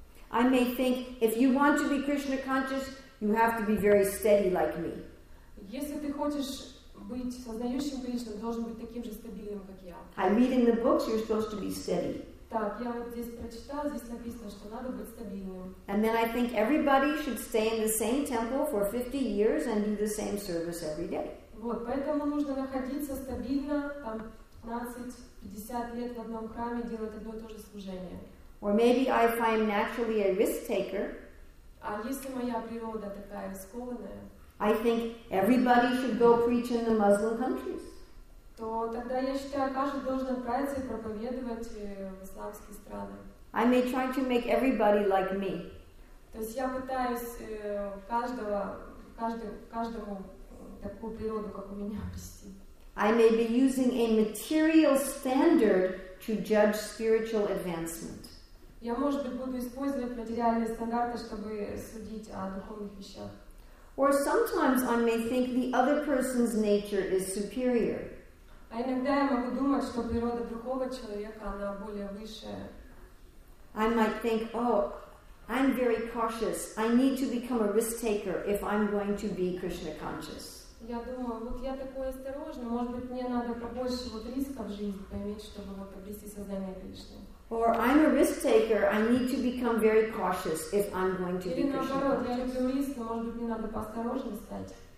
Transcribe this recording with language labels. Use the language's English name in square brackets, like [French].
[English] I may think if you want to be Krishna conscious, you have to be very steady like me. [Russian] Если ты хочешь быть сознающим Кришну, должен быть таким же стабильным, как я. [English] I read in the books you're supposed to be steady. [Russian] Так, я вот здесь прочитала, здесь написано, что надо быть стабильным. [English] And then I think everybody should stay in the same temple for 50 years and do the same service every day. [Russian] Вот, поэтому нужно находиться стабильно там 15-50 лет в одном храме, делать одно и то же служение. [English] Or maybe if I am naturally a risk taker, [Russian] а если моя природа такая рискованная, [English] I think everybody should go preach in the Muslim countries. [Russian] То тогда я считаю, каждый должен отправиться и проповедовать в исламские страны. [English] I may try to make everybody like me. [Russian] То есть я пытаюсь каждому такую природу, как у меня, привести. [English] I may be using a material standard to judge spiritual advancement. [Russian] Я, может быть, буду использовать материальные стандарты, чтобы судить о духовных вещах. [English] Or sometimes I may think the other person's nature is superior. [Russian] А иногда я могу думать, что природа другого человека, она более высшая. [English] I might think, oh, I'm very cautious. I need to become a risk taker if I'm going to be Krishna conscious. [Russian] Я думаю, вот я такой осторожный, может быть, мне надо побольше вот риска в жизни поймать, чтобы вот обрести сознание Кришны. [English] Or I'm a risk taker, I need to become very cautious if I'm going to be Krishna conscious.